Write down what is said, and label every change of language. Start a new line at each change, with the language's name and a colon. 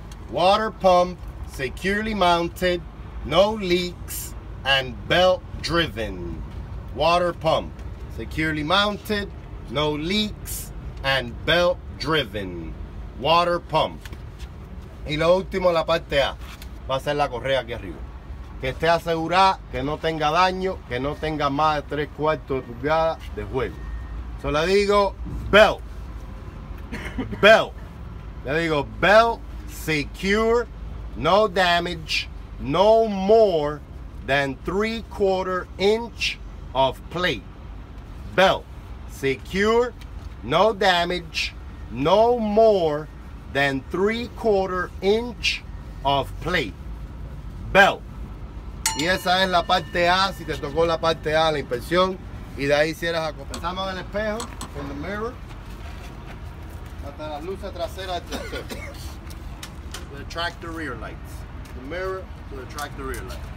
English: Water pump securely mounted, no leaks, and belt driven. Water pump securely mounted, no leaks, and belt driven. Water pump.
Spanish: Y lo último, la parte A, va a ser la correa aquí arriba. Que esté asegurada, que no tenga daño, que no tenga más de 3/4 pulgadas de juego. So le digo belt. Belt. Le digo,
English: belt secure, no damage, no more than 3/4 inch of plate. Belt secure, no damage, no more than 3/4 inch of plate. Belt.
Spanish: Y esa es la parte A, si te tocó la parte A, la inspección. Y de ahí si eras a copiar. Estamos en el espejo,
English: in the mirror.
Spanish: Hasta las luces traseras del tractor.
English: The tractor rear lights. The mirror to the tractor rear light.